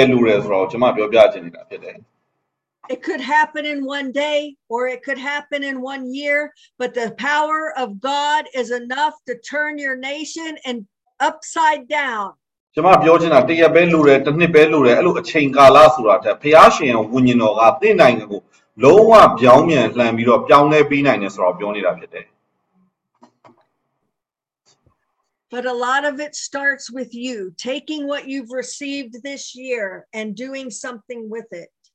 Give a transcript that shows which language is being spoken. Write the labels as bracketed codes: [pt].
[en] It could happen in one day or it could happen in one year, but the power of God is enough to turn your nation and upside down. [my] ကျမပြောချင်တာတစ်ရက်ပဲလူတယ်တစ်နှစ်ပဲလူတယ်အဲ့လိုအချိန်ကာလဆိုတာတဲ့ဘုရားရှင်ရဲ့ဝိညာဉ်တော်ကတင့်နိုင်ငံကိုလုံးဝပြောင်းပြန်လှန်ပြီးတော့ပြောင်းလဲပေးနိုင်တယ်ဆိုတော့ပြောနေတာဖြစ်တယ် [en] But a lot of it starts with you taking what you've received this year and doing something with it.